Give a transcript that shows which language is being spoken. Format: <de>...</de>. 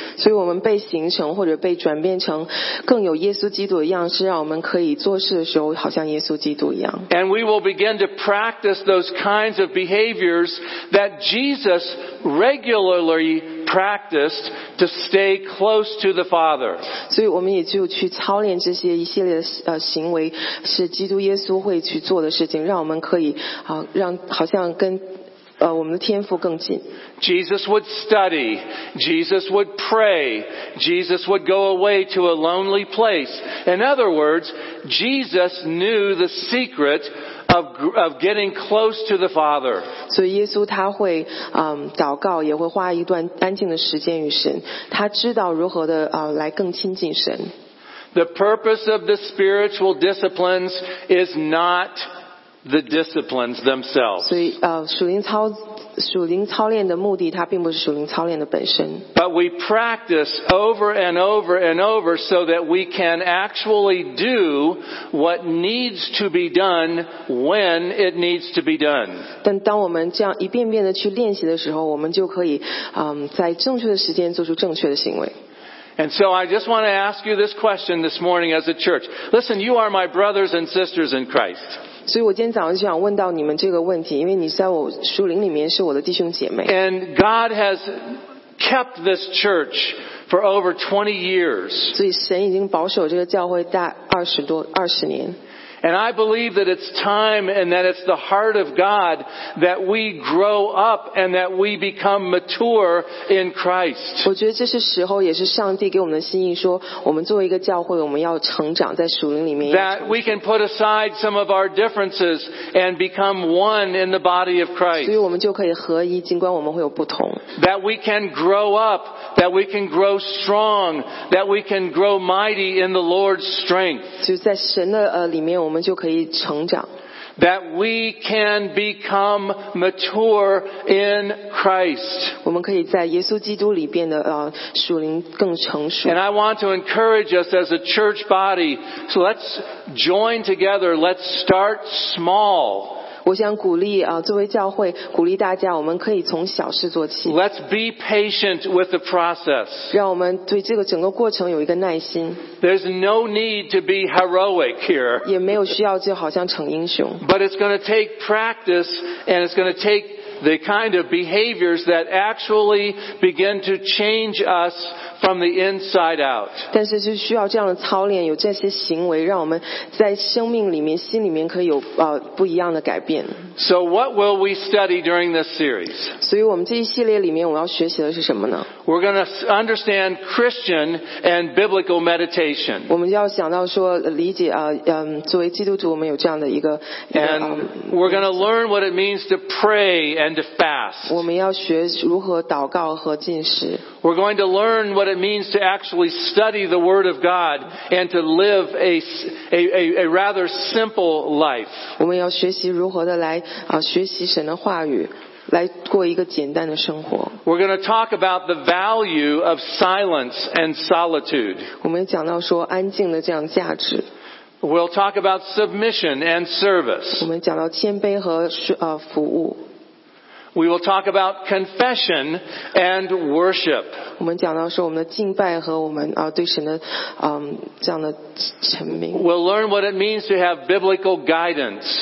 <zh>所以我们被形成或者被转变成更有耶稣基督的样式，让我们可以做事的时候好像耶稣基督一样。</zh> <en>And we will begin to practice those kinds of behaviors that Jesus regularly practiced to stay close to the Father.</en> <zh>所以我们也就去操练这些一系列的行为，是基督耶稣会去做的事情，让我们可以让好像跟我们的天父更近。</zh> <en>Jesus would study. Jesus would pray. Jesus would go away to a lonely place. In other words, Jesus knew the secret of getting close to the Father.</en> <zh>所以耶稣他会祷告，也会花一段安静的时间与神。他知道如何的来更亲近神。</zh> <en>The purpose of the spiritual disciplines is not the disciplines themselves.</en> <zh>所以属灵操练的目的，它并不是属灵操练的本身。</zh> <en>But we practice over and over and over so that we can actually do what needs to be done when it needs to be done.</en> <zh>但当我们这样一遍遍的去练习的时候，我们就可以在正确的时间做出正确的行为。</zh> <en>And so I just want to ask you this question this morning as a church. Listen, you are my brothers and sisters in Christ.</en> <zh>所以我今天早上就想问到你们这个问题，因为你在我属灵里面是我的弟兄姐妹。</zh> <en>And God has kept this church for over 20 years.</en> <zh>所以神已经保守这个教会大二十年。</zh> <en>And I believe that it's time and that it's the heart of God that we grow up and that we become mature in Christ.</en> <zh>我觉得这是时候，也是上帝给我们的心意，说我们作为一个教会，我们要成长在属灵里面。</zh> <en>That we can put aside some of our differences and become one in the body of Christ.</en> <zh>所以我们就可以合一，尽管我们会有不同。</zh> <en>That we can grow up, that we can grow strong, that we can grow mighty in the Lord's strength.</en> <zh>就在神的里面。我们就可以成长。</zh> <en>That we can become mature in Christ.</en> <zh>我们可以在耶稣基督里边的属灵更成熟。</zh> <en>And I want to encourage us as a church body, so let's join together, let's start small.</en> <zh>我想鼓励作为教会鼓励大家，我们可以从小事做起。</zh> <en>Let's be patient with the process.</en> <zh>让我们对这个整个过程有一个耐心。</zh> <en>There's no need to be heroic here.</en> <zh>也没有需要就好像逞英雄。</zh> <en>But it's going to take practice, and it's going to take the kind of behaviors that actually begin to change us from the inside out.</en> <zh>但是是需要这样的操练，有这些行为，让我们在生命里面、心里面可以有不一样的改变。</zh> <en>So what will we study during this series?</en> <zh>所以我们这一系列里面我要学习的是什么呢？</zh> <en>We're going to understand Christian and biblical meditation.</en> <zh>我们要想到说理解作为基督徒我们有这样的一个。</zh> <en>And we're going to learn what it means to pray and to fast.</en> <zh>我们要学如何祷告和禁食。</zh> <en>We're going to learn what it means to actually study the Word of God and to live a rather simple life.</en> <zh>我们要学习如何的来学习神的话语，来过一个简单的生活。</zh> <en>We're going to talk about the value of silence and solitude.</en> <zh>我们讲到说安静的这样价值。</zh> <en>We'll talk about submission and service.</en> <zh>我们讲到谦卑和服务。</zh> <en>We will talk about confession and worship.</en> <zh>我们讲到说我们的敬拜和我们对神的这样的臣民。</zh> <en>We'll learn what it means to have biblical guidance.</en>